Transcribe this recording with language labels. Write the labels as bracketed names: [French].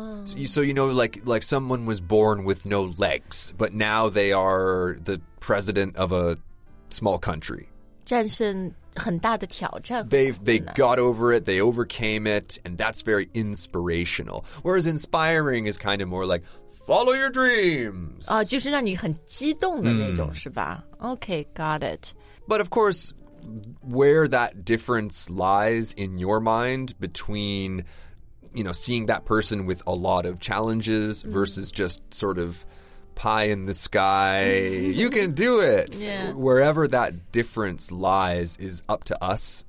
[English] So, you know, like someone was born with no legs, but now they are the president of a small country. [Chinese] 战胜很大的挑战。 [English] They got over it, they overcame it, and that's very inspirational. Whereas inspiring is kind of more like, follow your dreams! [Chinese] 就是让你很激动的那种,是吧? [English] Okay, got it. But of course... where that difference lies in your mind between, you know, seeing that person with a lot of challenges versus just sort of pie in the sky, you can do it. Yeah. Wherever that difference lies is up to us.